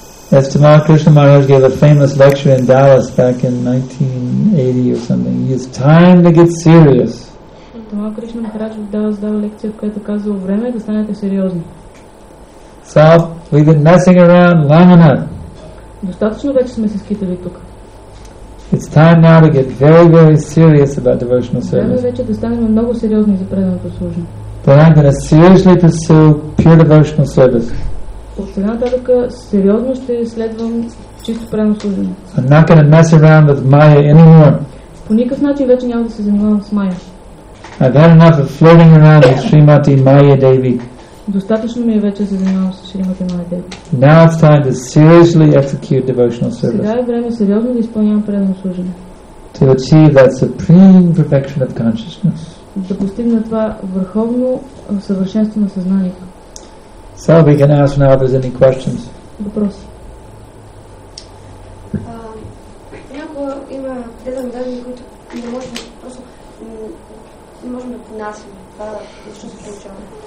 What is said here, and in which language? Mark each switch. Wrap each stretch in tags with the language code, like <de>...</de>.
<en>As Tamal Krishna Maharaj gave a famous lecture in Dallas back in 1980 or something. It's time to get serious.</en> <bg>Tamal Krishna Maharaj в Далас дава лекция, в която казва време да станете сериозни.</bg> <en>So we've been messing around long enough.</en> <bg>Достатъчно вече сме се скитали тук.</bg> <en>It's time now to get very, very serious about devotional service.</en> <bg>Време вече да станем много сериозни за преданото служение.</bg> <en>Then I'm going to seriously pursue pure devotional service.</en> <bg>От сега нататък сериозно ще следвам чисто предано служение.</bg> <en>I'm not going to mess around with Maya anymore.</en> <bg>По никакъв начин вече няма да се занимавам с Maya.</bg> <en>I've had enough of floating around with Srimati Maya Devi.</en> <bg>Достатъчно ми е вече да се занимавам с Шримати Майя Деви.</bg> <en>Now it's time to seriously execute devotional service.</en> <bg>Сега е време сериозно да изпълнявам предано служение.</bg> <en>To achieve that supreme perfection of consciousness.</en> <bg>Да постигна това върховно съвършенство на съзнанието.</bg> <en>So we can ask now if there's any questions.</en> <bg>Въпроси. Някога има предани данни, които не можем, просто не можем да понасим това, защо се получаваме.</bg>